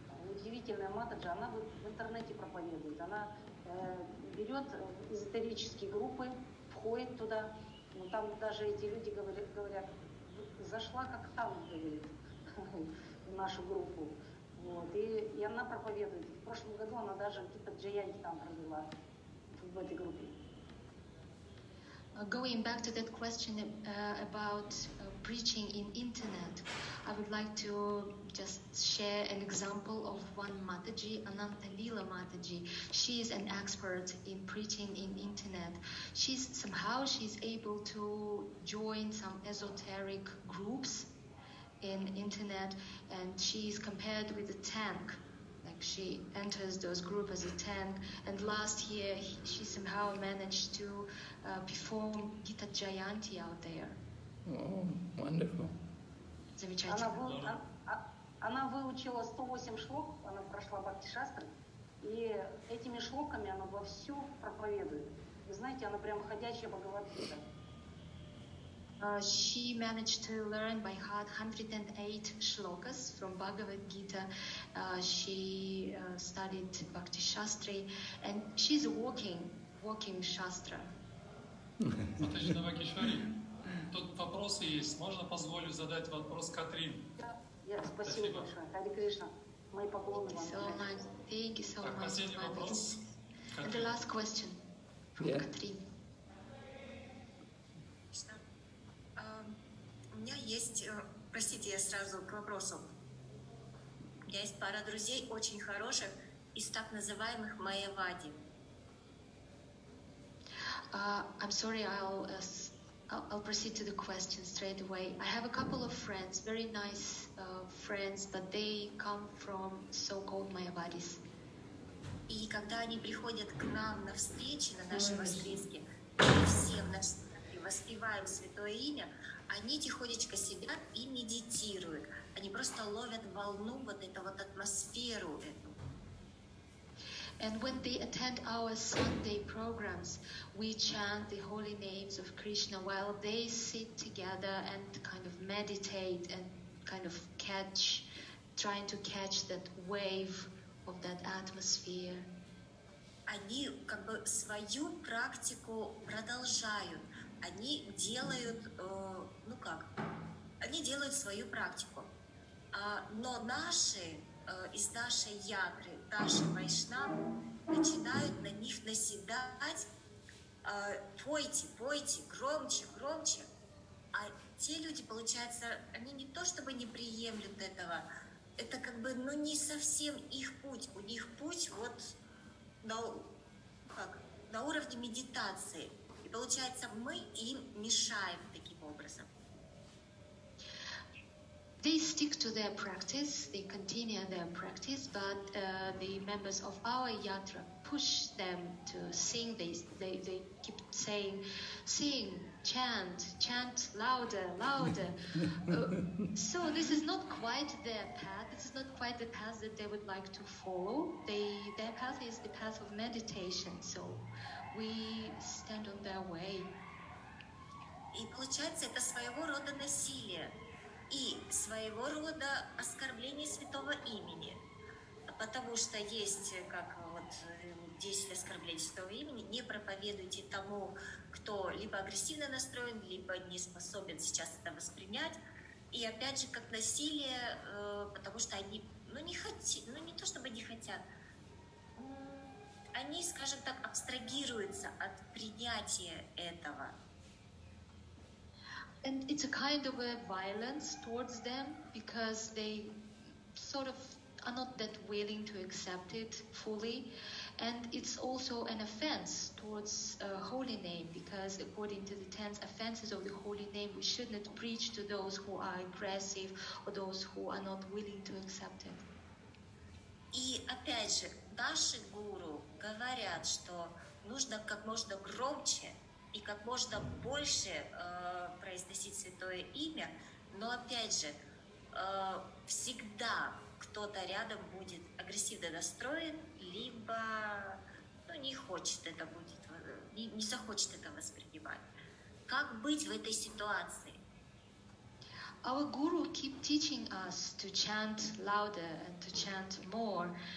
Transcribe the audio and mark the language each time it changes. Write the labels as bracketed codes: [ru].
[ru] Удивительная матаджа, она в интернете проповедует. Она берет эзотерические группы, входит туда. Ну, там даже эти люди говорят, зашла как там, говорит, в нашу группу. Вот. И она проповедует. В прошлом году она даже какие-то джаянки там провела в этой группе. [en] Going back to that question about preaching in internet, I would like to just share an example of one Mataji, Anantalila Mataji. She is an expert in preaching in internet. She's able to join some esoteric groups in internet, and she is compared with a tank. Like she enters those groups as a tank, and last year she somehow managed to perform Gita Jayanti out there. Oh, wonderful. [ru] Замечательно. Она выучила 108 шлок, она прошла Бхакти-шастры, и этими шлоками она вовсю проповедует. Вы знаете, она прям ходячая Бхагавад-гита. [en] She managed to learn by heart 108 shlokas from Bhagavad Gita. She studied Bhakti Shastri, and she's a walking shastra. [ru] Матаджи Навакишвари, тут вопросы есть. Можно позволю задать вопрос Катрин? Спасибо большое. Хари Кришна, мои поклоны вам. [en] Thank you so much. [ru] Так, последний вопрос. [en] And the last question from Катрин. [ru] У меня есть, простите, я сразу к вопросу. У меня есть пара друзей очень хороших из так называемых майявади. [en] I'm sorry, I'll proceed to the question straight away. I have a couple of friends, very nice friends, but they come from so-called майявадис. [ru] И когда они приходят к нам на встречи, на наши воскреске, всем наш воспеваем святое имя, они тихонечко сидят и медитируют. Они просто ловят волну, вот эту вот атмосферу эту. [en] And when they attend our Sunday programs, we chant the holy names of Krishna while they sit together and kind of meditate and kind of trying to catch that wave of that atmosphere. [ru] Они как бы свою практику продолжают. они делают, ну как, они делают свою практику. Но наши, из нашей ядры, наши вайшнавы начинают на них наседать, пойте, пойте, громче, громче. А те люди, получается, они не то чтобы не приемлют этого, это как бы, ну, не совсем их путь. У них путь вот на уровне медитации. И получается, мы им мешаем таким образом. [en] They stick to their practice, they continue their practice, but the members of our yatra push them to sing. They keep saying, sing, chant louder. So this is not quite their path. This is not quite the path that they would like to follow. Their path is the path of meditation. So we stand on their way. [ru] И получается, это своего рода насилие. И своего рода оскорбление святого имени. Потому что есть, как вот, действие оскорбления святого имени, не проповедуйте тому, кто либо агрессивно настроен, либо не способен сейчас это воспринять. И опять же, как насилие, потому что они, ну, не хотят, ну, не то чтобы не хотят, они, скажем так, абстрагируются от принятия этого. [en] And it's a kind of a violence towards them because they sort of are not that willing to accept it fully. And it's also an offense towards holy name because according to the 10 offenses of the holy name, we should not preach to those who are aggressive or those who are not willing to accept it. [ru] И опять же, наши гуру говорят, что нужно как можно громче и как можно больше произносить святое имя, но опять же, всегда кто-то рядом будет агрессивно настроен, либо, ну, не хочет это будет, не захочет это воспринимать. Как быть в этой ситуации? [en] Our guru keep teaching us to chant louder and to chant more.